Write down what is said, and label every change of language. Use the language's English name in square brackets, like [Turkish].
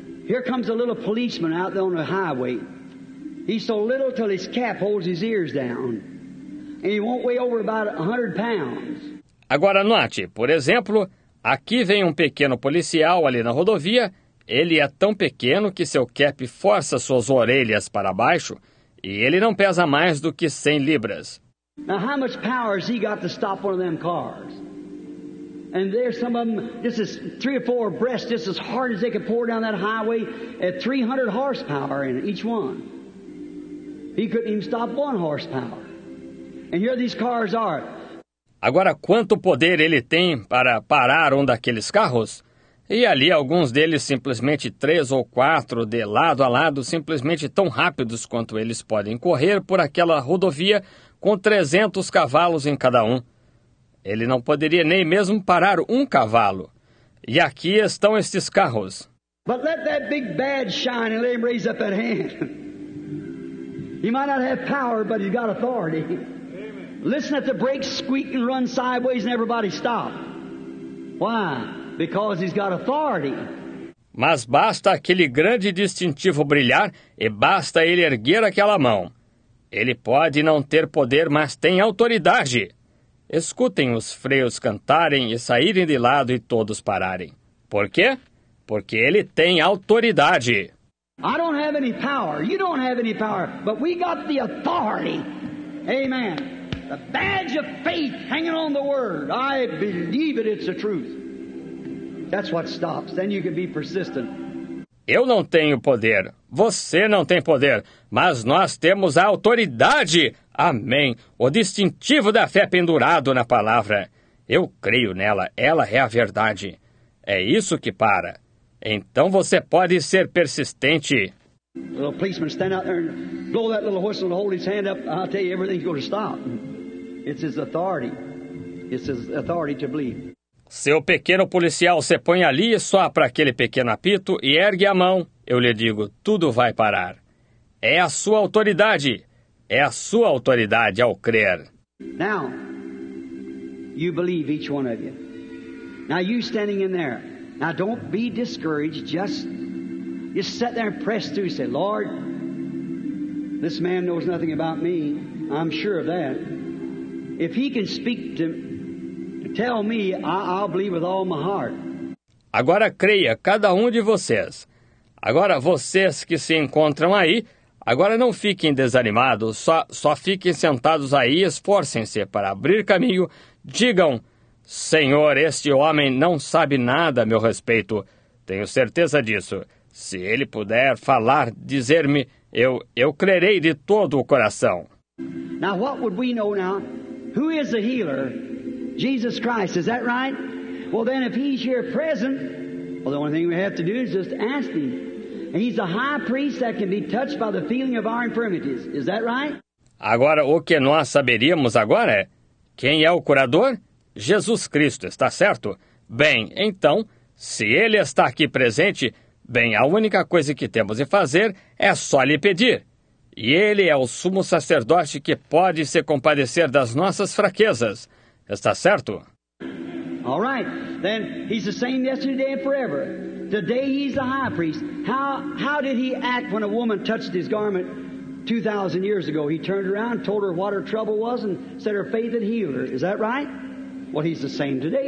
[English] Here comes a little policeman out there on the highway. He's so little till his cap holds his ears down. And he won't weigh over about 100 pounds. [Portuguese] Agora note, por exemplo, aqui vem um pequeno policial ali na rodovia. Ele é tão pequeno que seu cap força suas orelhas para baixo. e ele não pesa mais do que 100 libras. [English] Now how much power has he got to stop one of them cars? And there's some of them, this is three or four abreast, just as hard as they could pour down that highway at 300 horsepower in each one. He couldn't even stop one horsepower. And here these cars are. [Portuguese] Agora, quanto poder ele tem para parar um daqueles carros? E ali alguns deles simplesmente três ou quatro de lado a lado, simplesmente tão rápidos quanto eles podem correr por aquela rodovia com 300 cavalos em cada um. Ele não poderia nem mesmo parar um cavalo. E aqui estão estes carros. [English] But let that big bad shine and let him raise up that hand. He might not have power, but he's got authority. Amen. Listen at the brakes squeak and run sideways and everybody stop. Why? Because he's got authority. [Portuguese] Mas basta aquele grande distintivo brilhar e basta ele erguer aquela mão. Ele pode não ter poder, mas tem autoridade. Escutem os freios cantarem e saírem de lado e todos pararem. Por quê? Porque ele tem autoridade. [English] I don't have any power. You don't have any power. But we got the authority. Amen. The badge of faith hanging on the word. I believe it, it's the truth. That's what stops. Then you can be persistent. [Portuguese] Eu não tenho poder. Você não tem poder. Mas nós temos a autoridade. Amém. O distintivo da fé pendurado na palavra. Eu creio nela. Ela é a verdade. É isso que para. Então você pode ser persistente. [English] Little policeman, stand out there and blow that little whistle and hold his hand up. I'll tell you, everything's going to stop. It's his authority. It's his authority to believe. [Portuguese] Seu pequeno policial se põe ali e sopra aquele pequeno apito e ergue a mão. Eu lhe digo, tudo vai parar. É a sua autoridade. É a sua autoridade ao crer. [English] Now, you believe each one of you. Now you standing in there. Now don't be discouraged. Just sit there and press through. Say, Lord, this man knows nothing about me. I'm sure of that. If he can speak to tell me, I'll believe with all my heart. [Portuguese] Agora creia, cada um de vocês. Agora vocês que se encontram aí, agora não fiquem desanimados, só fiquem sentados aí, esforcem-se para abrir caminho. Digam, Senhor, este homem não sabe nada a meu respeito. Tenho certeza disso. Se ele puder falar, dizer-me, eu crerei de todo o coração. [English] Now, what would we know now? Who is the healer? Jesus Christ, is that right? Well, then, if he's here present, well, the only thing we have to do is just ask him. And he's the high priest that can be touched by the feeling of our infirmities. Is that right? [Portuguese] Agora, o que nós saberíamos agora é, quem é o curador? Jesus Cristo, está certo? Bem, então, se ele está aqui presente, bem, a única coisa que temos de fazer é só lhe pedir. E ele é o sumo sacerdote que pode se compadecer das nossas fraquezas. Está certo? [English] All right. Then he's the same yesterday and forever. Today he's the high priest. How did he act when a woman touched his garment 2,000 years ago? He turned around, told her what her trouble was, and said her faith had healed her. Is that right? Well, he's the same today.